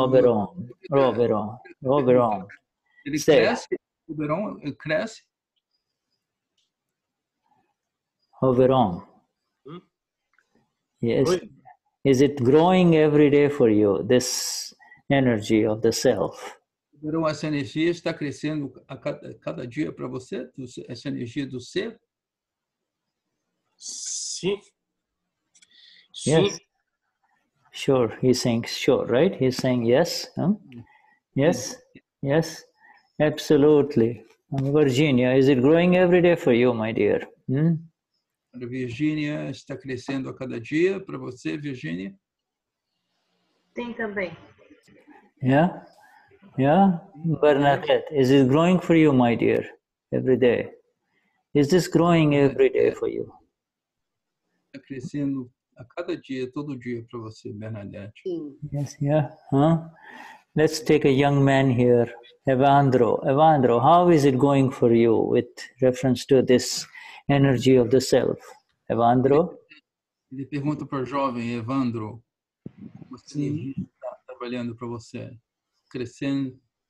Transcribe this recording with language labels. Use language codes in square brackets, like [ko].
[en] Oberon. [pt] Cresce? [en] Oberon. Yes. Is it growing every day for you, this energy of the self? [pt] Oberon, essa energia está crescendo a cada dia para você, essa energia do ser? Sim. [en] Yes. Sure, he's saying sure, right? He's saying yes. Yes, yes, absolutely. Virginia, is it growing every day for you, my dear? [pt] Virginia, está crescendo a cada dia para você, Virginia? Tem também. [en] Yeah, yeah. Bernadette, is it growing for you, my dear, every day? Is this growing every day for you? [pt] Está crescendo. A cada dia, todo dia para você, Bernadette. [en] Yes, yeah. Huh? Let's take a young man here, Evandro. Evandro, how is it going for you with reference to this energy of the self? Evandro? [pt] Ele pergunta para o jovem, Evandro. Você está trabalhando para você? Crescendo?